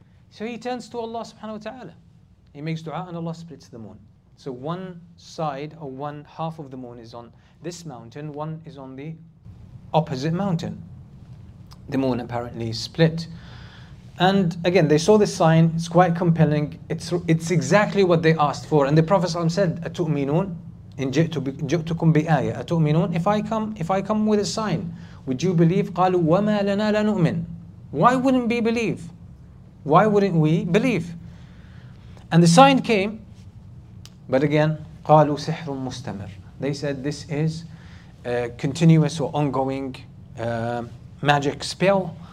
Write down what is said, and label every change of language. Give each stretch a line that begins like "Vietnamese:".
English: So he turns to Allah subhanahu wa ta'ala. He makes dua and Allah splits the moon. So one side or one half of the moon is on this mountain, one is on the opposite mountain. The moon apparently split. And again, they saw this sign, it's quite compelling. It's exactly what they asked for. And the Prophet said,
Arabic: أتؤمنون إن جئتكم بآية أتؤمنون.
English: If I come with a sign, would you believe?
Arabic: قالوا وما لنا لنؤمن.
English: Why wouldn't we believe? Why wouldn't we believe? And the sign came, but again,
Arabic: قالوا سحر مستمر.
English: They said this is a continuous or ongoing magic spell.